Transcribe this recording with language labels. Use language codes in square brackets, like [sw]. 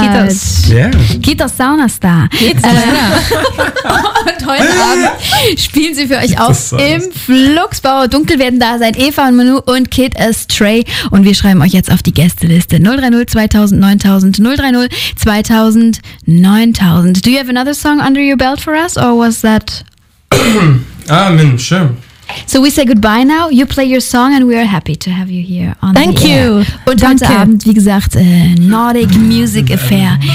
[fi] Kitos. [en] Yeah. [fi] Kitos Saunastar. [de] Und heute Abend spielen sie für euch auch im Fluxbau. Dunkel werden da sein Eva und Manu und Kid Astray. Und wir schreiben euch jetzt auf die Gästeliste. 030 2000 9000 030 2000 9000. [en] Do you have another song under your belt for us? Or was that... I mean, sure. So we say goodbye now. You play your song and we are happy to have you here. Thank you. [de] Und heute Abend, wie gesagt, Nordic Music Affair.